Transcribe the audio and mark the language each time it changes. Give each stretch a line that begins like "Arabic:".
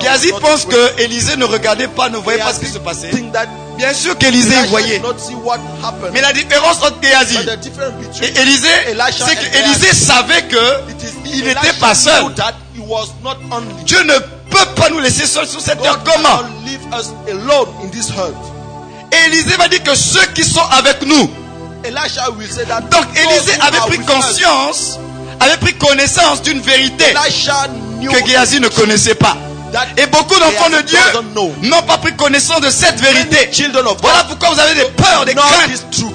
French: Géasi pense que Élisée ne regardait pas, ne voyait Géasi pas ce qui se passait. Bien sûr qu'Élisée voyait. Mais la différence entre Géasi et Élisée, c'est qu'Élisée savait que il n'était pas seul.
English: Was not only.
French: Dieu ne peut pas nous laisser seuls sur cette terre. Comment?
English: Leave us alone in this earth.
French: Élisée va dire que ceux qui sont avec nous.
English: Elisha will say that.
French: Donc Élisée avait pris conscience, avait pris connaissance d'une vérité que Géasi ne connaissait pas. Et beaucoup d'enfants de Dieu n'ont pas pris connaissance de cette vérité. Voilà pourquoi vous avez des peurs, des craintes.